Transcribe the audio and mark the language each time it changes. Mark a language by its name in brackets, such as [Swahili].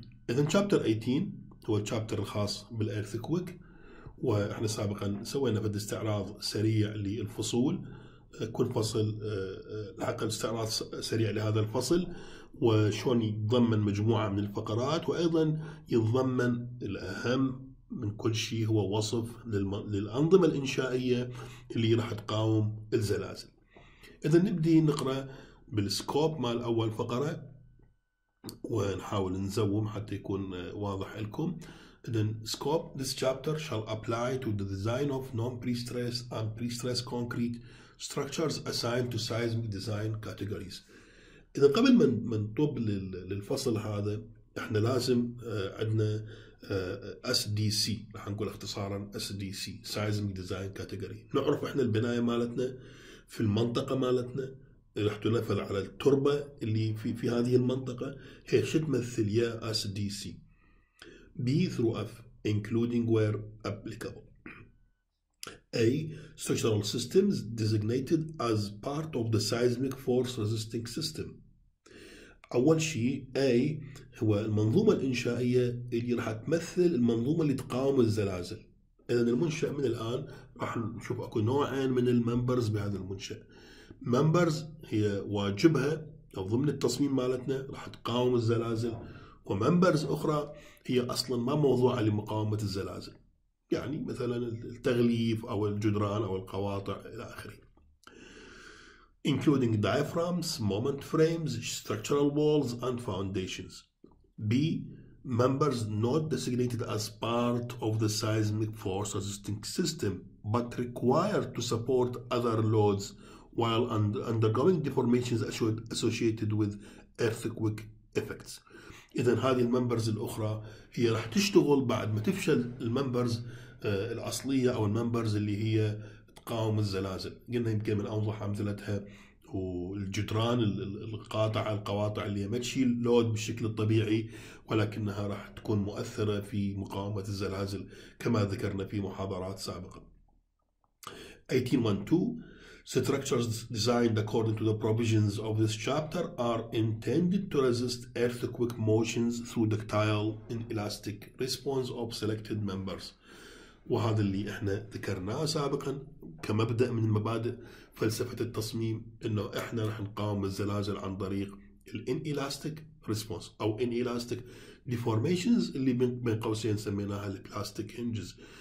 [Arabic] إذن شابتر 18 هو الشابتر الخاص بالإيرثكويك، وإحنا سابقا سوينا فد استعراض سريع للفصول، كل فصل العقل استعراض سريع لهذا الفصل وشون يتضمن مجموعة من الفقرات، وأيضا يتضمن الأهم من كل شيء هو وصف للأنظمة الإنشائية اللي راح تقاوم الزلازل. إذا نبدي نقرأ بالسكوب مع الأول فقرة ونحاول نزوم حتى يكون واضح لكم. [English] Then scope: this chapter shall apply to the design of non-pre-stressed and pre-stressed concrete structures assigned to seismic design categories. [Arabic] إذا قبل ما نطب للفصل هذا احنا لازم عندنا SDC، راح نقول اختصارا SDC seismic design category، نعرف احنا البناية مالتنا في المنطقة مالتنا راح تنفذ على التربة اللي في هذه المنطقة، هي شو تمثل يا [English] SDC B through F including where applicable. A structural systems designated as part of the seismic force resisting system. [Arabic] أول شيء A هو المنظومة الإنشائية اللي راح تمثل المنظومة اللي تقاوم الزلازل. إذن المنشأ من الآن راح نشوف أكو نوعين من الممبرز بهذا المنشأ. ممبرز هي واجبها ضمن التصميم مالتنا راح تقاوم الزلازل، وممبرز أخرى هي أصلا ما موضوعة لمقاومة الزلازل، يعني مثلا التغليف أو الجدران أو القواطع إلى آخره. [English] Including diaphragms, moment frames, structural walls and foundations. B. Members not designated as part of the seismic force resisting system but required to support other loads while undergoing deformations associated with earthquake effects. [Arabic] إذن هذه الممبرز الأخرى هي راح تشتغل بعد ما تفشل الممبرز الأصلية أو الممبرز اللي هي تقاوم الزلازل. قلنا يمكن من أوضح أمثلتها والجدران القاطعة القواطع اللي ما تشيل لود بالشكل الطبيعي ولكنها راح تكون مؤثرة في مقاومة الزلازل كما ذكرنا في محاضرات سابقة. [English] 18.1.2 Structures designed according to the provisions of this chapter are intended to resist earthquake motions through ductile and elastic response of selected members. [Arabic] وهذا اللي احنا ذكرناه سابقا كمبدأ من مبادئ فلسفة التصميم، انه احنا رح نقاوم الزلازل عن طريق الانيلاستيك ريسبونس او انيلاستيك ديفورميشنز اللي بين قوسين سميناها البلاستيك هنجز.